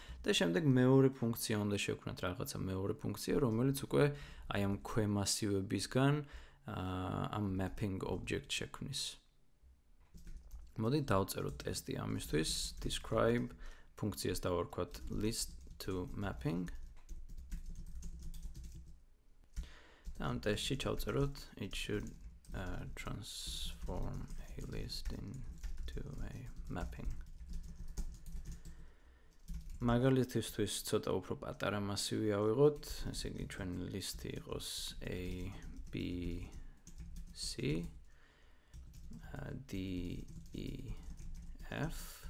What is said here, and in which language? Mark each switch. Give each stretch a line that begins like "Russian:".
Georgian: და შემდეგ მეორე ფუნქცია უნდა შევქნათ რაღაცა მეორე ფუნქცია, რომელიც უკვე აი ამ ქვე მასივებისგან ამ mapping object შექმნის. Моди დავწეროთ ტესტი ამისთვის, describe ფუნქციას დავარქვათ list to mapping. Там ტესტში ჩავწეროთ
English: it should transform a list into a mapping.
Georgian: მაგალითისთვის ცოტა უფრო პატარა მასივი ავიღოთ, ესე იგი ჩვენ ლისტი იყოს a b c d e f